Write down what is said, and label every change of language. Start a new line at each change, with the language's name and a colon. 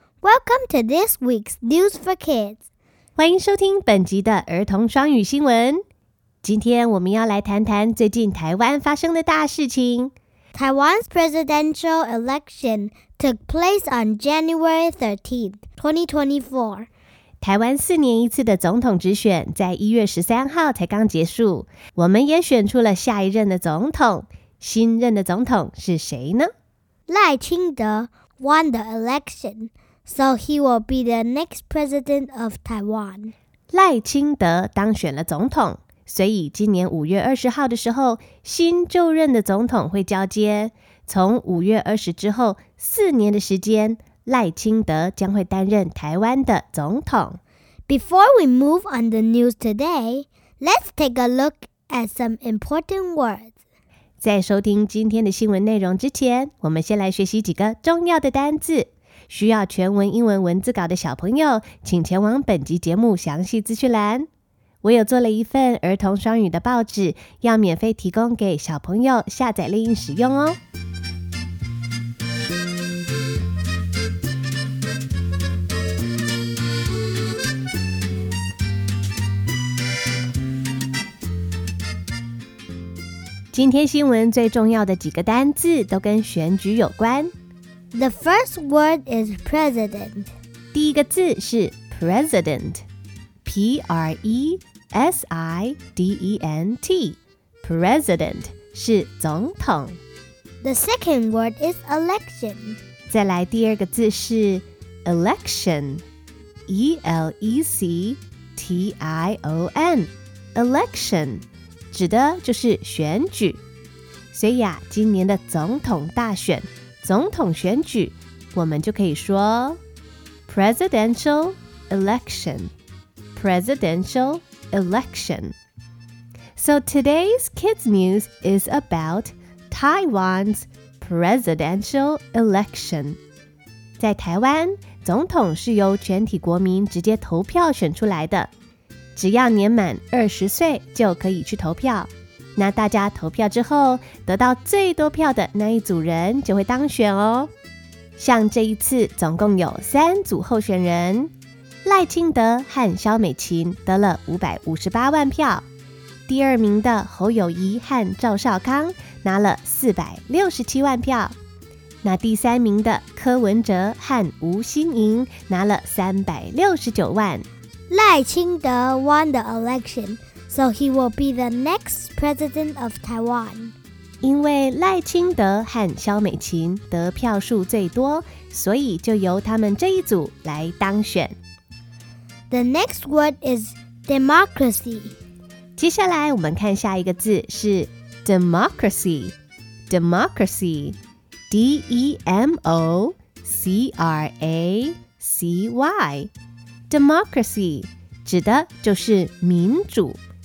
English: Welcome to this week's news for kids.
Chinese: 欢迎收听本集的儿童双语新闻。今天我们要来谈谈最近台湾发生的大事情。
English: Taiwan's presidential election took place on January 13th, 2024.
Chinese: 台湾四年一次的总统直选在1月13号才刚结束。我们也选出了下一任的总统。新任的总统是谁呢？
English: 赖清德 won the election. So he will be the next president of Taiwan.
Chinese: 赖清德当选了总统，所以今年5月20号的时候，新就任的总统会交接。从5月20之后，四年的时间，赖清德将会担任台湾的总统。
English: Before we move on the news today, let's take a look at some important words.
Chinese: 在收听今天的新闻内容之前，我们先来学习几个重要的单字。需要全文英文文字稿的小朋友，请前往本集节目详细资讯栏。我有做了一份儿童双语的报纸，要免费提供给小朋友下载练习使用哦。今天新闻最重要的几个单字都跟选举有关。
English: The first word is president.
Chinese: 第一个字是 president. P-R-E-S-I-D-E-N-T. President 是总统。
English: The second word is election.
Chinese: 再来第二个字是 election. E-L-E-C-T-I-O-N. Election 指的就是选举。所以啊，今年的总统大选总统选举，我们就可以说
English: Presidential election. Presidential election. So today's kids news is about Taiwan's presidential election.
Chinese: 在台湾，总统是由全体国民直接投票选出来的，只要年满20岁就可以去投票。那大家投票之后，得到最多票的那一组人就会当选哦。像这一次总共有三组候选人，赖清德和萧美琴得了558万票，第二名的侯友宜和赵少康拿了467万票，那第三名的柯文哲和吴欣盈拿了369万。
English: 赖清德 won the election. So he will be the next president of Taiwan.
Chinese: 因为赖清德和萧美琴得票数最多，所以就由他们这一组来当选。
English: The next word is democracy.
Chinese: 接下来我们看下一个字是 democracy.
English: Democracy. D-E-M-O-C-R-A-C-Y.
Chinese: Democracy 指的就是民主。